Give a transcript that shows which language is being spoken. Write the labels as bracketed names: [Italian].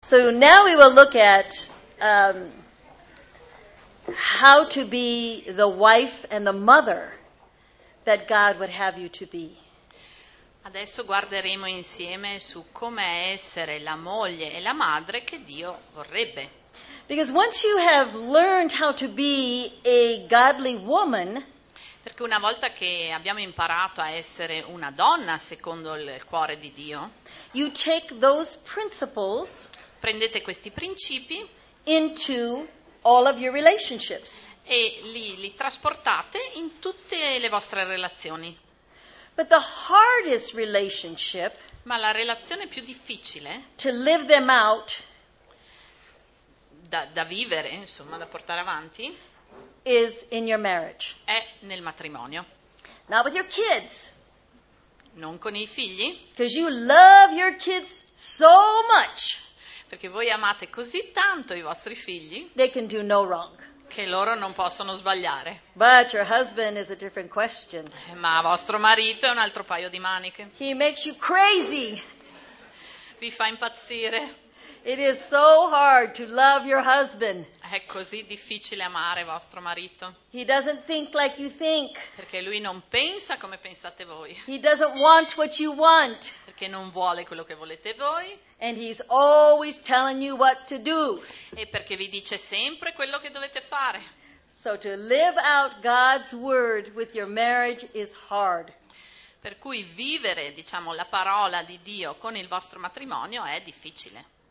[English] So now we will look at how to be the wife and the mother that God would have you to be. [Italian] Adesso guarderemo insieme su come essere la moglie e la madre che Dio vorrebbe. [English] Because once you have learned how to be a godly woman, [Italian] perché una volta che abbiamo imparato a essere una donna secondo il cuore di Dio, [English] you take those principles, [Italian] prendete questi principi [English] into all of your relationships. [Italian] E li trasportate in tutte le vostre relazioni. [English] But the hardest relationship, [Italian] ma la relazione più difficile [English] to live them out, [Italian] da vivere, insomma, da portare avanti, [English] is in your marriage. [Italian] È nel matrimonio. [English] Not with your kids. [Italian] Non con i figli. [English] Because you love your kids so much. [Italian] Perché voi amate così tanto i vostri figli. [English] They can do no wrong. [Italian] Che loro non possono sbagliare. [English] But your husband is a different question. [Italian] Ma vostro marito è un altro paio di maniche. [English] He makes you crazy. [Italian] Vi fa impazzire. [English] It is so hard to love your husband. [Italian] È così difficile amare vostro marito. [English] He doesn't think like you think. [Italian] Perché lui non pensa come pensate voi. [English] He doesn't want what you want. [Italian] Perché non vuole quello che volete voi. [English] And he's always telling you what to do. [Italian] E perché vi dice sempre quello che dovete fare. [English] So to live out God's word with your marriage is hard. [Italian] Per cui vivere, diciamo, la parola di Dio con il vostro matrimonio è difficile.